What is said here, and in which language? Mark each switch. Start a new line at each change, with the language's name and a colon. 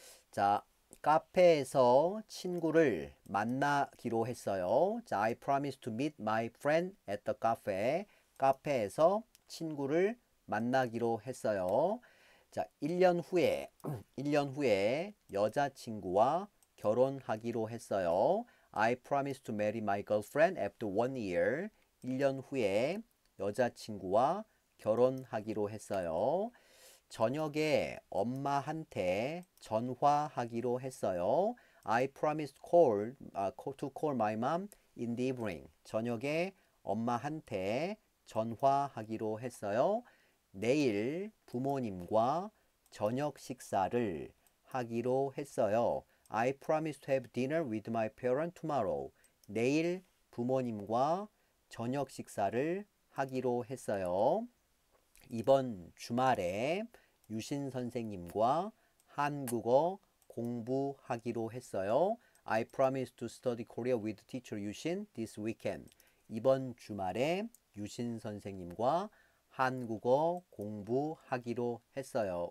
Korean: 자, 카페에서 친구를 만나기로 했어요.
English: 자, I promise to meet my friend at the cafe.
Korean: 카페에서 친구를 만나기로 했어요. 자, 1년 후에 여자친구와 결혼하기로 했어요.
English: I promise to marry my girlfriend after 1 year.
Korean: 1년 후에 여자친구와 결혼하기로 했어요. 저녁에 엄마한테 전화하기로 했어요.
English: I promised to call my mom in the evening.
Korean: 저녁에 엄마한테 전화하기로 했어요. 내일 부모님과 저녁 식사를 하기로 했어요.
English: I promised to have dinner with my parents tomorrow.
Korean: 내일 부모님과 저녁 식사를 하기로 했어요. 이번 주말에 유신 선생님과 한국어 공부하기로 했어요.
English: I promise to study Korea with teacher Yushin this weekend.
Korean: 이번 주말에 유신 선생님과 한국어 공부하기로 했어요.